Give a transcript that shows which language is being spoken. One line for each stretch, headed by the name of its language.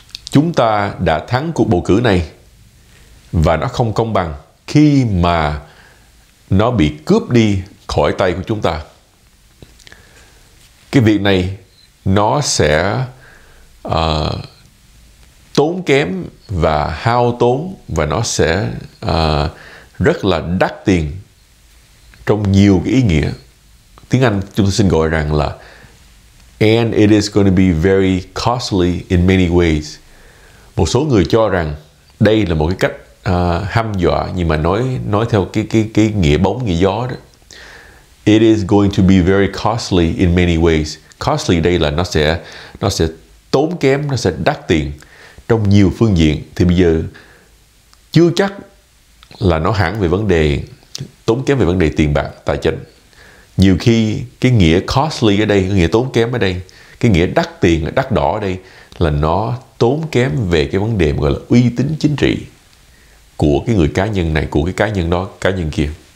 Vietnamese: Chúng ta đã thắng cuộc bầu cử này và nó không công bằng khi mà nó bị cướp đi khỏi tay của chúng ta. Cái việc này nó sẽ tốn kém và hao tốn, và nó sẽ rất là đắt tiền trong nhiều cái ý nghĩa. Tiếng Anh chúng tôi xin gọi rằng là
English: and it is going to be very costly in many ways.
Vietnamese: Một số người cho rằng đây là một cái cách hăm dọa, nhưng mà nói theo cái nghĩa bóng nghĩa gió đó.
English: It is going to be very costly in many ways.
Vietnamese: Costly đây là nó sẽ tốn kém, nó sẽ đắt tiền trong nhiều phương diện. Thì bây giờ chưa chắc là nó hẳn về vấn đề tốn kém, về vấn đề tiền bạc tài chính. Nhiều khi cái nghĩa costly ở đây, cái nghĩa tốn kém ở đây, cái nghĩa đắt tiền, đắt đỏ ở đây là nó tốn kém về cái vấn đề gọi là uy tín chính trị của cái người cá nhân này, của cái cá nhân đó, cá nhân kia.